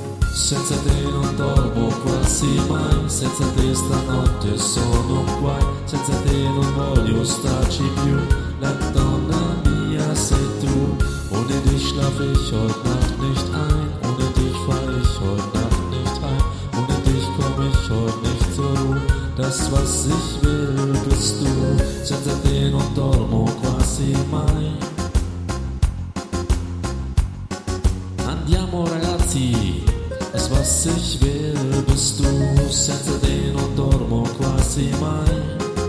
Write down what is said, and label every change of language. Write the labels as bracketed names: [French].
[Italian] Senza te non dormo quasi mai, senza te stanotte sono qua, senza te non voglio starci più. La donna mia sei tu. [German] Ohne dich schlaf ich heute Nacht nicht ein. Ohne dich fahr ich heute Nacht nicht heim. Ohne dich komm ich heute nicht zur Ruhe. Das, was ich will, bist du. [Italian] Senza te non dormo quasi mai. Andiamo ragazzi. [German] Das, was ich will, bist du. [Italian] Senza te non dormo quasi mai.